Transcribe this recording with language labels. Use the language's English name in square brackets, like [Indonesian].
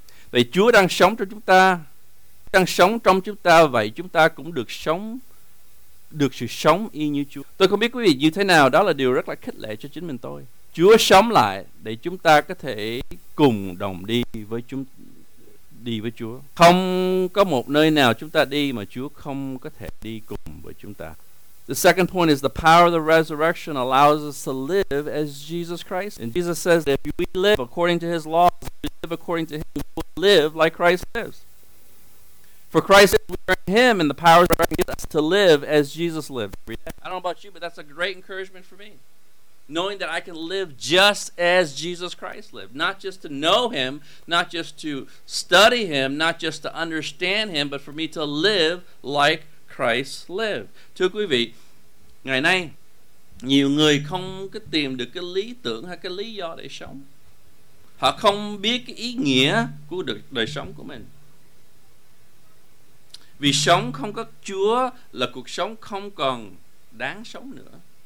[Vietnamese] Vì Chúa đang sống trong chúng ta, đang sống trong chúng ta, vậy chúng ta cũng được sống, được sự sống y như Chúa. Tôi không biết quý vị như thế nào, đó là điều rất là khích lệ cho chính mình tôi. Chúa sống lại để chúng ta có thể cùng đồng đi với Chúa. Không có một nơi nào chúng ta đi mà Chúa không có thể đi cùng với chúng ta. [English] The second point is the power of the resurrection allows us to live as Jesus Christ. And Jesus says that if we live according to his laws, if we live according to him, we will live like Christ lives. For Christ is in him, and the power of resurrection gives us to live as Jesus lived. I don't know about you, but that's a great encouragement for me, knowing that I can live just as Jesus Christ lived. Not just to know him, not just to study him, not just to understand him, but for me to live like Christ lived. [Vietnamese] Thưa quý vị, ngày nay, nhiều người không có tìm được cái lý tưởng hay cái lý do để sống. Họ không biết cái ý nghĩa của đời sống của mình. Vì sống không có Chúa là cuộc sống không còn đáng sống nữa.